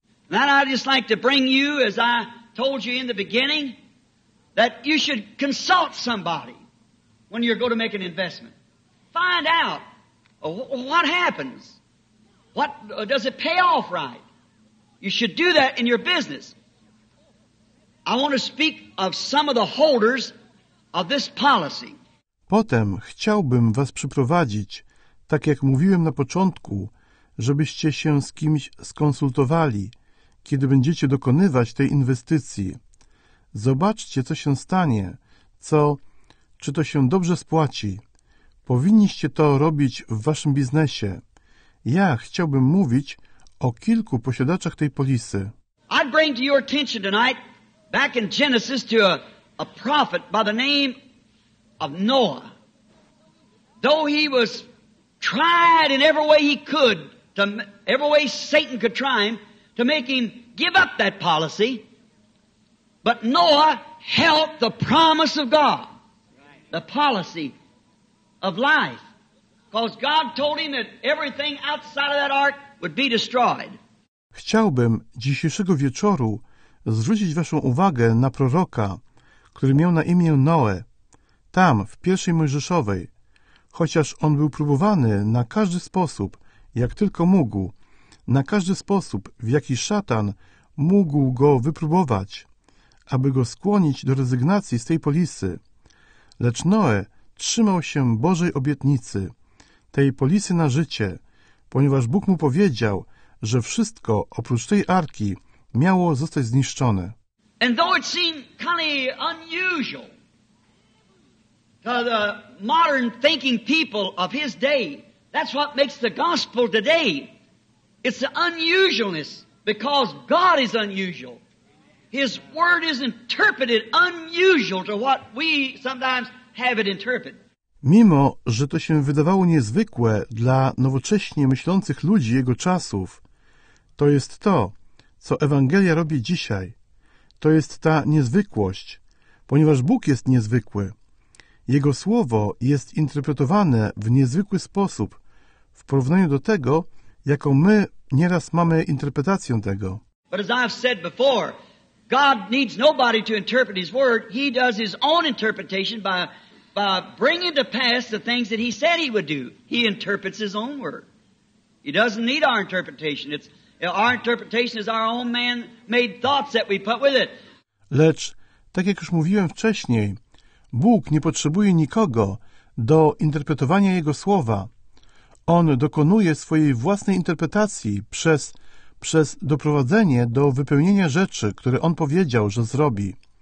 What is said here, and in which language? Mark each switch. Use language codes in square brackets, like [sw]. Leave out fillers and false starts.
[en] Now I'd just like to bring you, as I told you in the beginning, that you should consult somebody when you're going to make an investment. Find out what happens. What does it pay off right? You should do that in your business. I want to speak of some of the holders of this policy. [pl] Potem chciałbym was przyprowadzić, tak jak mówiłem na początku, żebyście się z kimś skonsultowali, kiedy będziecie dokonywać tej inwestycji. Zobaczcie, co się stanie, czy to się dobrze spłaci. Powinniście to robić w waszym biznesie. Ja chciałbym mówić o kilku posiadaczach tej polisy. [en] I'd bring to your attention tonight, back in Genesis, to a prophet by the name of Noah. Though he was tried in every way he could, to every way Satan could try him, to make him give up that policy, but Noah held the promise of God, the policy of life, because God told him that everything outside of that ark would be destroyed. [pl] Chciałbym dzisiejszego wieczoru zwrócić waszą uwagę na proroka, który miał na imię Noe, tam w pierwszej Mojżeszowej, chociaż on był próbowany na każdy sposób, jak tylko mógł, na każdy sposób, w jaki szatan mógł go wypróbować, aby go skłonić do rezygnacji z tej polisy. Lecz Noe trzymał się Bożej obietnicy, tej polisy na życie, ponieważ Bóg mu powiedział, że wszystko oprócz tej arki miało zostać zniszczone. [en] And though it seemed kind of unusual to the modern thinking people of his day, that's what makes the gospel today. It's the unusualness, because God is unusual. His word is interpreted unusual to what we sometimes have it interpreted. [pl] Mimo, że to się wydawało niezwykłe dla nowocześnie myślących ludzi jego czasów, to jest to, co Ewangelia robi dzisiaj. To jest ta niezwykłość, ponieważ Bóg jest niezwykły. Jego słowo jest interpretowane w niezwykły sposób w porównaniu do tego, jaką my nieraz mamy interpretację tego. [en] But as I've said before, God needs nobody to interpret his word. He does his own interpretation by bringing to pass the things that he said he would do. He interprets his own word. He doesn't need our interpretation. Our interpretation is our own man-made thoughts that we put with it. [pl] Lecz, tak jak już mówiłem wcześniej, Bóg nie potrzebuje nikogo do interpretowania jego słowa. On dokonuje swojej własnej interpretacji przez doprowadzenie do wypełnienia rzeczy, które on powiedział, że zrobi.